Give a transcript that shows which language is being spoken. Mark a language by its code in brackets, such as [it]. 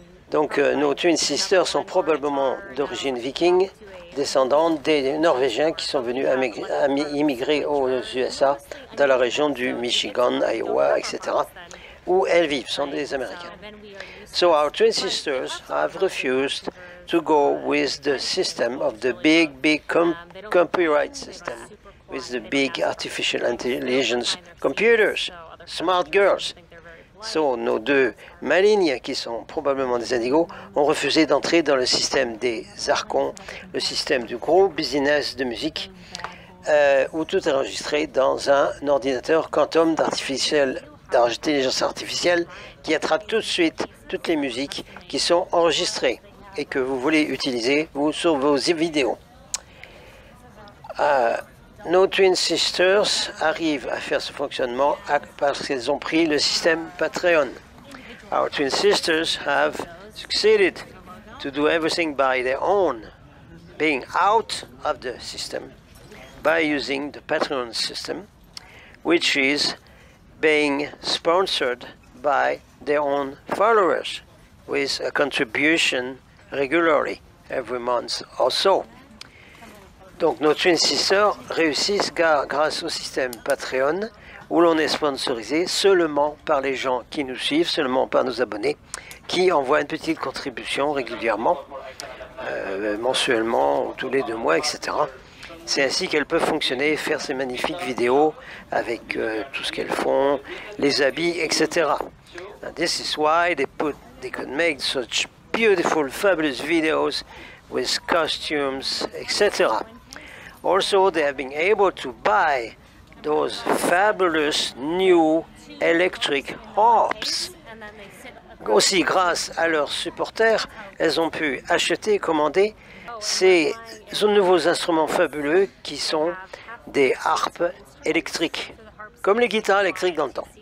[fr] Donc nos [en] twin sisters [fr] sont probablement d'origine viking, descendantes des Norvégiens qui sont venus immigrer aux USA dans la région du Michigan, Iowa, etc. où elles vivent, sont des Américains. [en] So our twin sisters have refused to go with the system of the big, big copyright system, with the big artificial intelligence computers, smart girls. [fr] So nos deux malignes, qui sont probablement des indigos, ont refusé d'entrer dans le système des archons, le système du gros business de musique, où tout est enregistré dans un ordinateur quantum d'intelligence artificielle qui attrape tout de suite toutes les musiques qui sont enregistrées et que vous voulez utiliser vous sur vos vidéos. Nos [en] twin sisters [fr] arrivent à faire ce fonctionnement parce qu'elles ont pris le système Patreon. [en] Our twin sisters have succeeded to do everything by their own, being out of the system, by using the Patreon system, which is being sponsored by their own followers with a contribution regularly every month or so. [fr] Donc nos [en] twin sisters [fr] réussissent grâce au système Patreon où l'on est sponsorisé seulement par les gens qui nous suivent, seulement par nos abonnés qui envoient une petite contribution régulièrement, mensuellement ou tous les deux mois, etc. C'est ainsi qu'elles peuvent fonctionner, faire ces magnifiques vidéos avec tout ce qu'elles font, les habits, etc. [en] And this is why they could make such beautiful, fabulous videos with costumes, etc. Also, they have been able to buy those fabulous new electric harps. [fr] Aussi, grâce à leurs supporters, elles ont pu acheter et commander ces nouveaux instruments fabuleux qui sont des harpes électriques, comme les guitares électriques dans le temps.